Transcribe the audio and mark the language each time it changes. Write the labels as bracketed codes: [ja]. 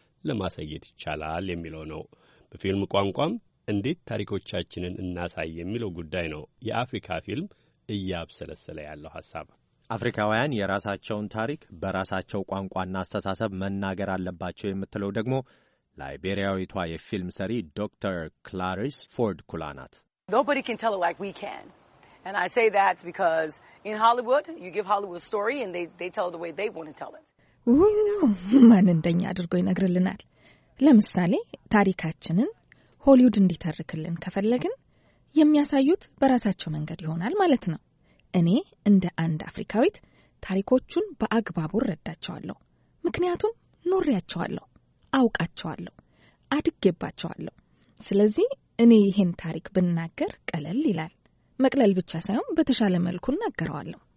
[am] ለማሳየት ይቻላል የሚለው ነው። በፊልም ቋንቋም እንዴት ታሪኮቻችንን እናሳይ የሚለው ጉዳይ ነው የአፍሪካ ፊልም እያብሰለሰለ ያለው ሐሳብ። አፍሪካውያን የራሳቸውን ታሪክ በራሳቸው ቋንቋና አስተሳሰብ መናገር አለባቸው የምትለው ደግሞ ላይቤሪያዊቷ የፊልም ሰሪ ዶክተር ክላሪስ ፎርድ ኩላናት። [en] Nobody can tell it like we can. And I say that because in Hollywood you give Hollywood a story and they tell it the way they want to tell it. [am] ማን እንደኛ አድርጎ ይነግርልናል? ለምሳሌ ታሪካችንን ሆሊውድ እንዲተርክልን ከፈለግን የሚያሳዩት በራሳቸው መንገድ ይሆናል ማለት ነው። እኔ እንደ አንድ አፍሪካዊት ታሪኮቹን በአግባቡ ረዳቸዋለሁ። ምክንያቱም ኖሬያቸዋለሁ፣ አውቃቸዋለሁ፣ አድጌባቸዋለሁ። ስለዚህ እኔ ይህን ታሪክ ብናገር ቀለል ይላል። መቅለል ብቻ ሳይሆን በተሻለ መልኩ እናገረዋለሁ።